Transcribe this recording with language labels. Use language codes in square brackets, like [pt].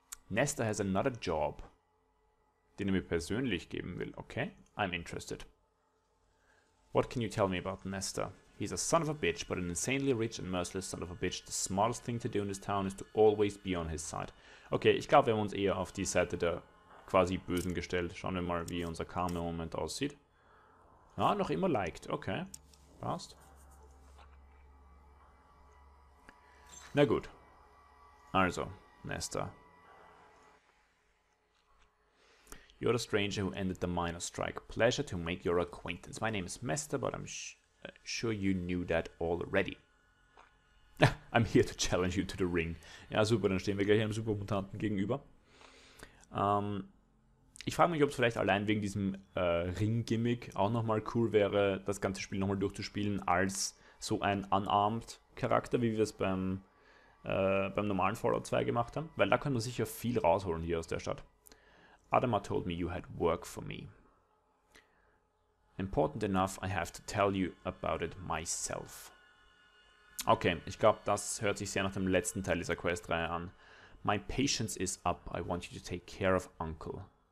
[en] Nestor has another job, [de] den er mir persönlich geben will. [en] Okay, I'm interested. What can you tell me about Nestor? He's a son of a bitch, but an insanely rich and merciless son of a bitch. The smartest thing to do in this town is to always be on his side. [de] Okay, ich glaube, wir haben uns eher auf die Seite der quasi Bösen gestellt. Schauen wir mal, wie unser Karma im Moment aussieht. Ah, noch immer liked. Okay, passt. Na gut. Also, Nestor. [en] You're the stranger who ended the miner strike. Pleasure to make your acquaintance. My name is Mester, but I'm sure you knew that already. I'm here to challenge you to the ring. [de] Ja, super, dann stehen wir gleich einem Supermutanten gegenüber. Ich frage mich, ob es vielleicht allein wegen diesem Ring-Gimmick auch nochmal cool wäre, das ganze Spiel nochmal durchzuspielen als so ein Unarmed-Charakter, wie wir es beim normalen Fallout 2 gemacht haben. Weil da können wir sicher viel rausholen hier aus der Stadt. [en] Adama told me you had work for me. Important enough, I have to tell you about it myself. [de] Okay, ich glaube, das hört sich sehr nach dem letzten Teil dieser Questreihe an. [en] My patience is up. I want you to take care of Uncle.